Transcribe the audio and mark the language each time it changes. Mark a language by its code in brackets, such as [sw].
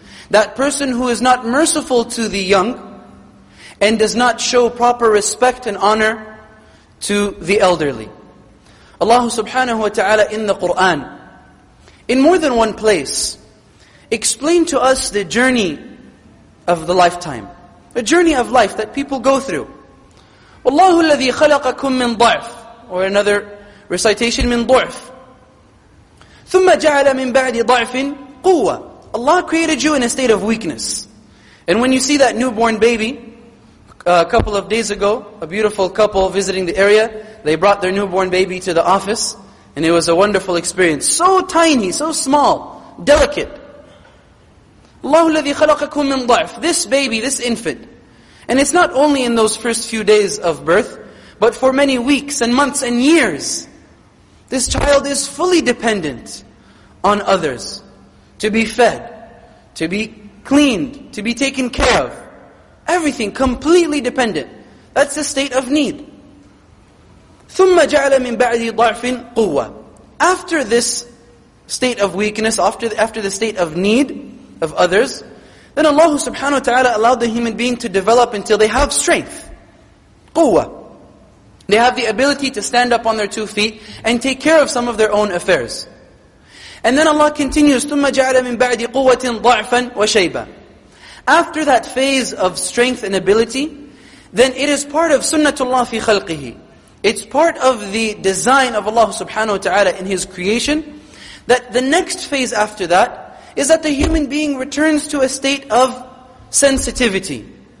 [en] That person who is not merciful to the young and does not show proper respect and honor to the elderly. Allah subhanahu wa ta'ala in the Qur'an, in more than one place, explained to us the journey of the lifetime, the journey of life that people go through. [ar] وَاللَّهُ الَّذِي خَلَقَكُم مِّن ضَعْفٍ, [en] or another recitation, [ar] مِّن ضُعْفٍ ثُمَّ جَعَلَ مِن بَعْدِ ضَعْفٍ قُوَّةٍ. [en] Allah created you in a state of weakness. And when you see that newborn baby, a couple of days ago, a beautiful couple visiting the area, they brought their newborn baby to the office, and it was a wonderful experience. So tiny, so small, delicate. [ar] اللَّهُ الَّذِي خَلَقَكُم مِّن ضَعْفٍ. [en] This baby, this infant. And it's not only in those first few days of birth, but for many weeks and months and years, this child is fully dependent on others to be fed, to be cleaned, to be taken care of. Everything completely dependent. That's the state of need. [ar] ثُمَّ جَعَلَ مِن بَعْدِ ضَعْفٍ قُوَّةٍ. [en] After this state of weakness, after the state of need of others, then Allah subhanahu wa ta'ala allowed the human being to develop until they have strength. Quwwah. They have the ability to stand up on their two feet and take care of some of their own affairs. And then Allah continues, [ar] ثُمَّ جَعْلَ مِنْ بَعْدِ قُوَّةٍ ضَعْفًا وَشَيْبًا. [en] After that phase of strength and ability, then it is part of sunnatullah fi khalqihi. It's part of the design of Allah subhanahu wa ta'ala in His creation, that the next phase after that is that the human being returns to a state of sensitivity.